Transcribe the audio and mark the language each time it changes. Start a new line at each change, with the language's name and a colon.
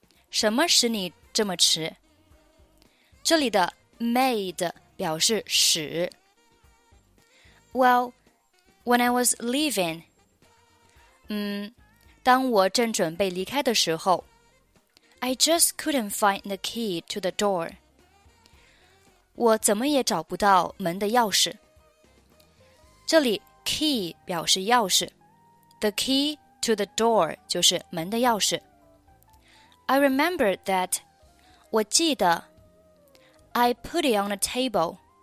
Chinese: 什么使你这么迟？这里的 made 表示使。
English: Well, when I was leaving,
Chinese: 当我正准备离开的时候
English: I just couldn't find the key to the door.
Chinese: 我怎么也找不到门的钥匙。这里 key 表示钥匙。
English: The key to the door
Chinese: 就是门的钥匙。
English: I remember that,
Chinese: 我记得
English: I put it on a table,